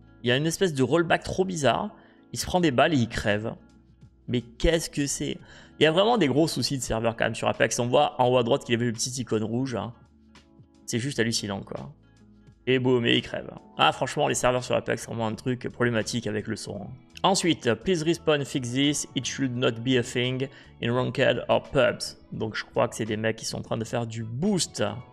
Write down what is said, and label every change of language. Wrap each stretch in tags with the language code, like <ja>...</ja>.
<fr>Il y a une espèce de rollback trop bizarre. Il se prend des balles et il crève. Mais qu'est-ce que c'est? Il y a vraiment des gros soucis de serveur quand même sur Apex. On voit en haut à droite qu'il avait le petit icône rouge. C'est juste hallucinant, quoi. Et boum, et il crève. Ah, franchement, les serveurs sur Apex, c'est vraiment un truc problématique avec le son.</fr> <en>Ensuite, please respawn, fix this. It should not be a thing in ranked or pubs.</en> <fr>Donc, je crois que c'est des mecs qui sont en train de faire du boost.</fr>